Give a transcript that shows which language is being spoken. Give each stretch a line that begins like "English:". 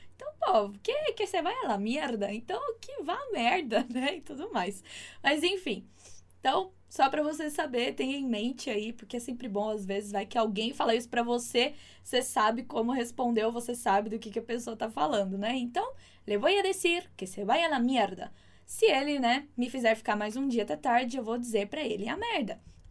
Portuguese: Então, pô, que você vai lá, merda? Então, que vá merda, né? E tudo mais. Mas, enfim. Então, só pra você saber, tenha em mente aí, porque é sempre bom, às vezes, vai que alguém fala isso pra você, você sabe como respondeu, você sabe do que a pessoa tá falando, né?
Spanish: Então, le voy a decir que se vaya a la mierda.
Portuguese: Se ele, né, me fizer ficar mais um dia até tarde, eu vou dizer pra ele a merda.